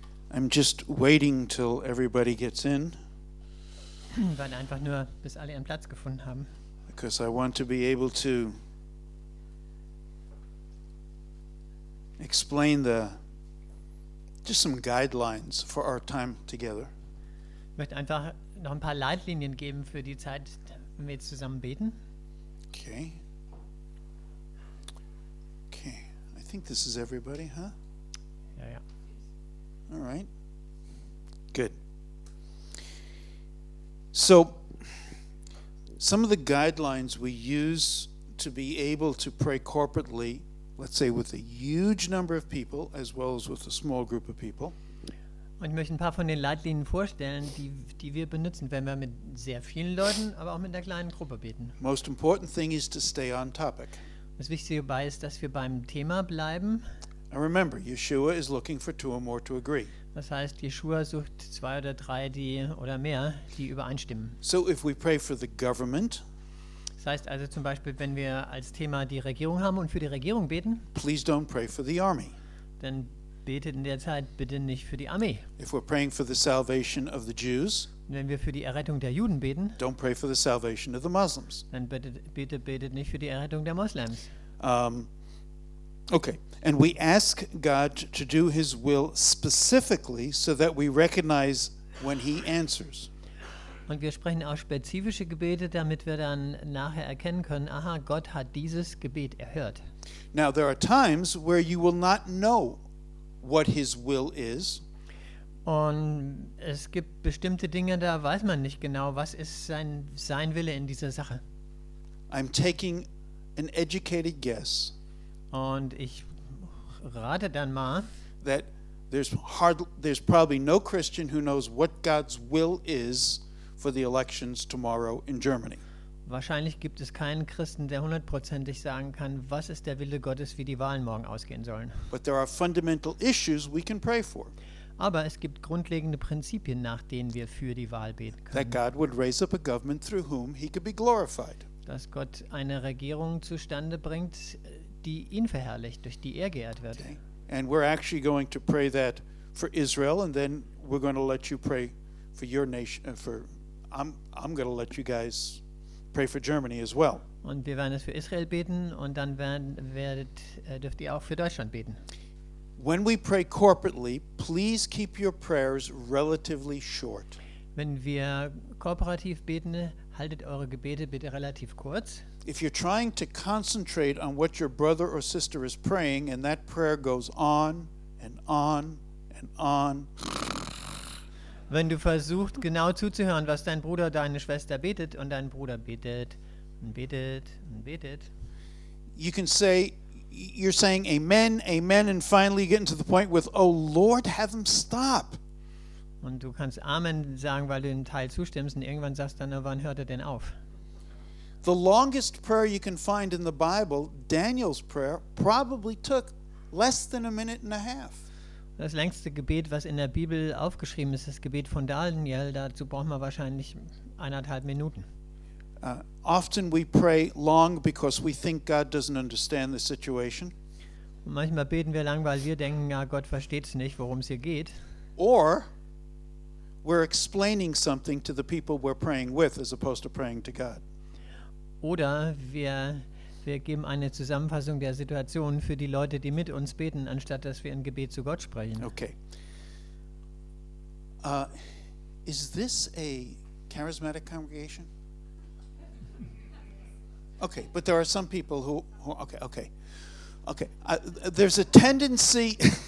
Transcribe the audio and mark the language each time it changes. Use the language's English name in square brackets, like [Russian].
[English] I'm just waiting till everybody gets in. [German] Wir warten einfach nur, bis alle ihren Platz gefunden haben. [English] Because I want to be able to explain the just some guidelines for our time together. [German] Ich möchte einfach noch ein paar Leitlinien geben für die Zeit, wenn wir jetzt zusammen beten. [English] Okay. Okay. I think this is everybody, huh? [German] Ja, ja. [English] All right. Good. So, some of the guidelines we use to be able to pray corporately, let's say with a huge number of people, as well as with a small group of people. [German] Und ich möchte ein paar von den Leitlinien vorstellen, die wir benutzen, wenn wir mit sehr vielen Leuten, aber auch mit einer kleinen Gruppe beten. [English] Most important thing is to stay on topic. [German] Das Wichtige dabei ist, dass wir beim Thema bleiben. [English] And remember, Yeshua is looking for two or more to agree. [German] Das heißt, Yeshua sucht zwei oder drei, die oder mehr, die übereinstimmen. [English] So if we pray for the government, [German] das heißt also zum Beispiel, wenn wir als Thema die Regierung haben und für die Regierung beten, [English] please don't pray for the army. [German] Dann betet in der Zeit bitte nicht für die Armee. [English] If we're praying for the salvation of the Jews, [German] wenn wir für die Errettung der Juden beten, [English] don't pray for the salvation of the Muslims. [German] Dann betet nicht für die Errettung der Moslems. [English] Okay, and we ask God to do his will specifically so that we recognize when he answers. [German] Und wir sprechen auch spezifische Gebete, damit wir dann nachher erkennen können, aha, Gott hat dieses Gebet erhört. [English] Now there are times where you will not know what his will is. [German] Und es gibt bestimmte Dinge, da weiß man nicht genau, was ist sein Wille in dieser Sache. [English] I'm taking an educated guess. [German] Und ich rate dann mal, [English] that there's probably no Christian who knows what God's will is for the elections tomorrow in Germany. [German] Wahrscheinlich gibt es keinen Christen, der hundertprozentig sagen kann, was ist der Wille Gottes, wie die Wahlen morgen ausgehen sollen. [English] But there are fundamental issues we can pray for. [German] Aber es gibt grundlegende Prinzipien, nach denen wir für die Wahl beten können. [English] That God would raise up a government through whom he could be glorified. [German] Dass Gott eine Regierung zustande bringt, die ihn verherrlicht, durch die geehrt wird. [English] Okay. And we're actually going to pray that for Israel, and then we're going to let you pray for your nation. I'm going to let you guys pray for Germany as well. [German] Und wir werden es für Israel beten, und dann dürft ihr auch für Deutschland beten. [English] When we pray corporately, please keep your prayers relatively short. [German] Wenn wir kooperativ beten, haltet eure Gebete bitte relativ kurz. [English] If you're trying to concentrate on what your brother or sister is praying and that prayer goes on and on and on. [German] Wenn du versuchst, genau zuzuhören, was dein Bruder oder deine Schwester betet, und dein Bruder betet und betet und betet. [English] You can say, you're saying amen, amen, and finally getting to the point with, oh Lord, have them stop. [German] Und du kannst Amen sagen, weil du dem Teil zustimmst, und irgendwann sagst du dann, wann hört er denn auf? [English] The longest prayer you can find in the Bible, Daniel's prayer, probably took less than a minute and a half. [German] Das längste Gebet, was in der Bibel aufgeschrieben ist, das Gebet von Daniel, dazu brauchen wir wahrscheinlich eineinhalb Minuten. [English] Often we pray long because we think God doesn't understand the situation. [German] Und manchmal beten wir lang, weil wir denken, ja, Gott versteht es nicht, worum es hier geht. [English] Or we're explaining something to the people we're praying with as opposed to praying to God. [German] Oder wir geben eine Zusammenfassung der Situation für die Leute, die mit uns beten, anstatt dass wir ein Gebet zu Gott sprechen. [English] Okay. Is this a charismatic congregation? Okay, but there are some people who okay. There's a tendency.